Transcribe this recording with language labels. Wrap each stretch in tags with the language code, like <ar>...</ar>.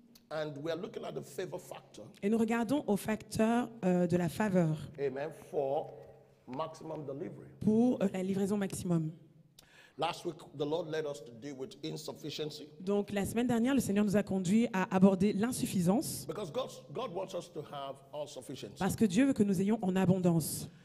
<en>And we are looking at the favor factor.</en> <fr>Et nous regardons au facteur de la faveur.</fr> <en>Amen. For maximum delivery.</en> <fr>Pour la livraison maximum.</fr> <en>Last week, the Lord led us to deal with insufficiency.</en> <fr>Donc la semaine dernière, le Seigneur nous a conduit à aborder l'insuffisance.</fr> <en>Because God wants us to have all sufficiency.</en> <fr>Parce que Dieu veut que nous ayons en abondance.</fr>